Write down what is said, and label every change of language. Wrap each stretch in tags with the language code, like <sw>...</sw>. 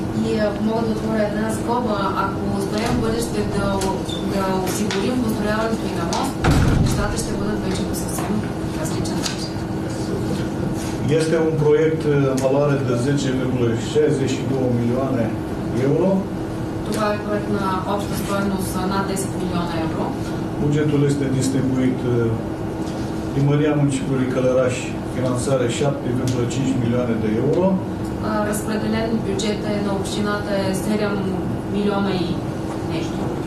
<bg>И мога да отворя една скоба. Ако успеем в бъдеще да осигурим построяването и на мост, нещата ще бъдат вече по съвсем различен начин.</bg> <ro>Este un proiect valoare de 10,62 milioane euro.</ro> <bg>Това е проект на обща стойност над 10 милиона евро.</bg> <ro>Бюджетът este distribuit Primăria Municipiului Călăraș, finanțare 7,5 milioane de euro.</ro> <bg>Разпределен бюджета на общината е 7 милиона и нещо.</bg>